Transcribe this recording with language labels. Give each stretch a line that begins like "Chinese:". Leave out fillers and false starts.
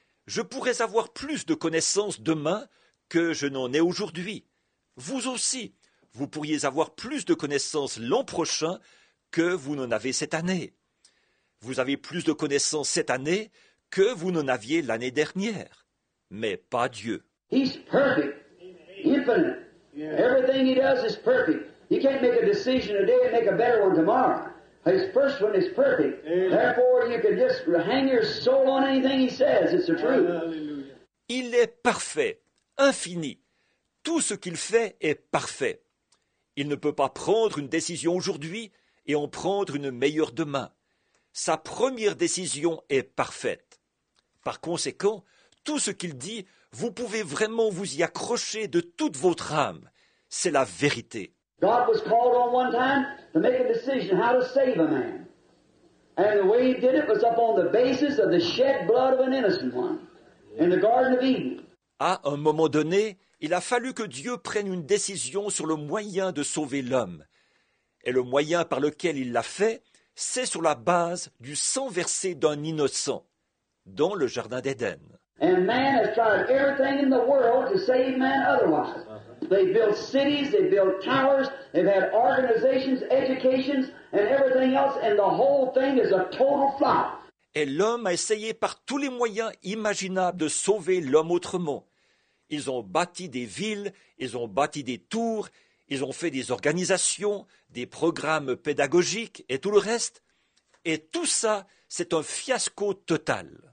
French: Je pourrais avoir plus de connaissances demain que je n'en ai aujourd'hui. Vous aussi, vous pourriez avoir plus de connaissances l'an prochain que vous n'en avez cette année. Vous avez plus de connaissances cette année que vous n'en aviez l'année dernière. Mais pas Dieu.
English: He's perfect. Infinite. Everything he does is perfect. You can't make a decision today and make a better one tomorrow. His first one is perfect. Therefore, you can just hang your soul on anything he says. It's the truth.
French: Il est parfait, infini. Tout ce qu'il fait est parfait. Il ne peut pas prendre une décision aujourd'hui et en prendre une meilleure demain. Sa première décision est parfaite. Par conséquent, tout ce qu'il dit, vous pouvez vraiment vous y accrocher de toute votre âme. C'est la vérité.
English: God was called on one time to make a decision how to save a man. And the way he did it was upon the basis of the shed blood of an innocent one in the Garden of Eden.
French: À un moment donné, il a fallu que Dieu prenne une décision sur le moyen de sauver l'homme. Et le moyen par lequel il l'a fait, c'est sur la base du sang versé d'un innocent dans le Jardin d'Éden.
English: And man has tried everything in the world to save man otherwise. They built cities, they built towers, they've had organizations, educations, and everything else, and the whole thing is a total flop.
French: Et l'homme a essayé par tous les moyens imaginables de sauver l'homme autrement. Ils ont bâti des villes, ils ont bâti des tours, Ils ont fait des organisations, des programmes pédagogiques et tout le reste. Et tout ça, c'est un fiasco total.